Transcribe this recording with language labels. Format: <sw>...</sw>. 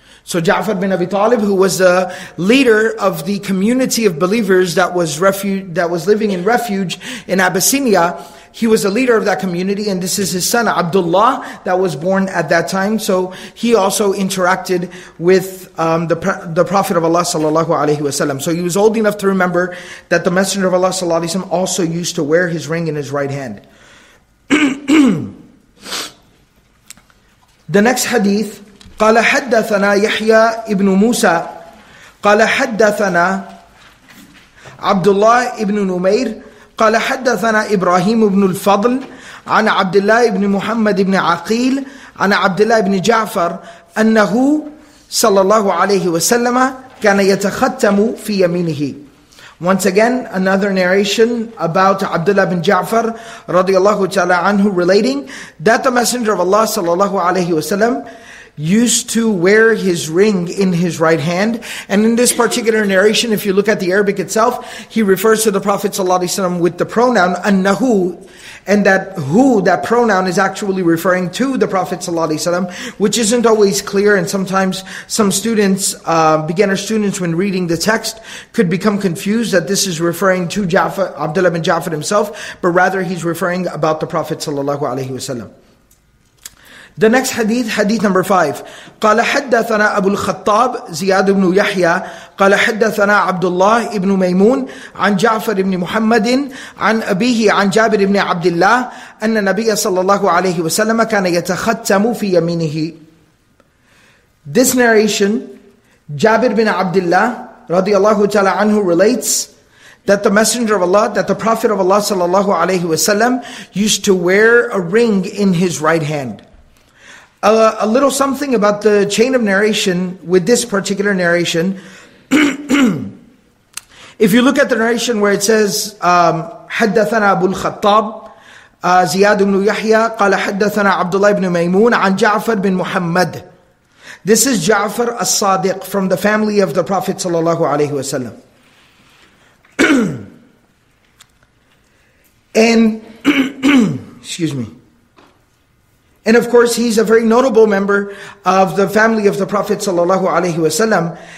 <en>So Ja'far bin Abi Talib, who was the leader of the community of believers that was living in refuge in Abyssinia, he was the leader of that community, and this is his son, Abdullah, that was born at that time. So he also interacted with the Prophet of Allah sallallahu alaihi wasallam. So he was old enough to remember that the Messenger of Allah sallallahu alaihi wasallam also used to wear his ring in his right hand. The next hadith,</en> <ar>قَالَ حَدَّثَنَا يَحْيَى إِبْنُ مُوسَى قَالَ حَدَّثَنَا عَبْدُ إِبْنُ نُمَيْرٍ قال حدثنا إبراهيم بن الفضل عن عبد الله بن محمد بن عقيل عن عبد الله بن جعفر أنه صلى الله عليه وسلم كان يتختم في يمينه.</ar> <en>Once again, another narration about Abdullah bin Ja'far radiallahu ta'ala anhu relating that the Messenger of Allah sallallahu alayhi wa sallam used to wear his ring in his right hand. And in this particular narration, if you look at the Arabic itself, he refers to the Prophet ﷺ with the pronoun annahu, and that who, that pronoun, is actually referring to the Prophet ﷺ, which isn't always clear, and sometimes some students, beginner students, when reading the text, could become confused that this is referring to Ja'far, Abdullah bin Ja'far himself, but rather he's referring about the Prophet ﷺ. The next hadith, hadith number 5.</en> <ar>قال حدثنا أبو الخطاب زياد بن يحيى قال حدثنا عبد الله بن ميمون عن جعفر بن محمد عن أبيه عن جابر بن عبد الله أن النبي صلى الله عليه وسلم كان يتختم في يمينه.</ar> <en>This narration, جابر بن عبد الله</en> <ar>رضي الله تعالى عنه</ar> <en>relates that the Messenger of Allah, that the Prophet of Allah sallallahu alayhi wasallam used to wear a ring in his right hand. A little something about the chain of narration with this particular narration. If you look at the narration where it says,</en> <ar>حدثنا أبو الخطاب زياد بن يحيى قال حدثنا عبد الله بن ميمون عن جعفر بن محمد.</ar> <en>This is Ja'far as-Sadiq from the family of the Prophet sallallahu alaihi wasallam. And excuse me. And of course, he's a very notable member of the family of the Prophet sallallahu alaihi wasallam.</en>